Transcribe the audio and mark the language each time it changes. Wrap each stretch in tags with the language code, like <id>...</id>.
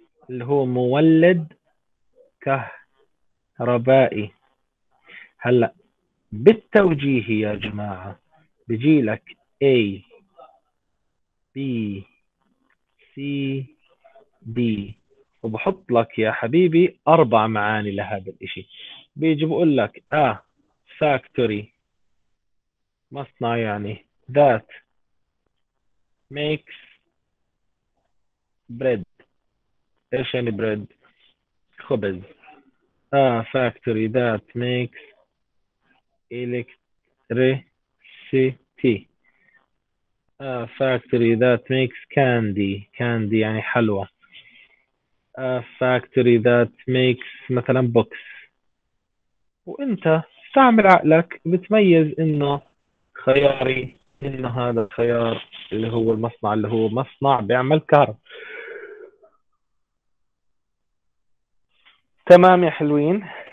<ar>اللي هو مولد كهربائي هلا بالتوجيه يا جماعة بيجي لك A B C D وبحط لك يا حبيبي أربع معاني لهذا الإشي بيجي بقول لك</ar> <en>A factory</en> <ar>مصنع يعني</ar> <en>that makes bread</en> <ar>إيش يعني</ar> <en>bread</en> <ar>خبز</ar> <en>A factory that makes electricity. A factory that makes candy.</en> <ar>Candy يعني حلوى.</ar> <en>A factory that makes</en> <ar>مثلا</ar> <en>books.</en> <ar>وانت استعمل عقلك بتميز انه خياري انه هذا الخيار اللي هو المصنع اللي هو مصنع بيعمل كهرباء. تمام يا حلوين.</ar>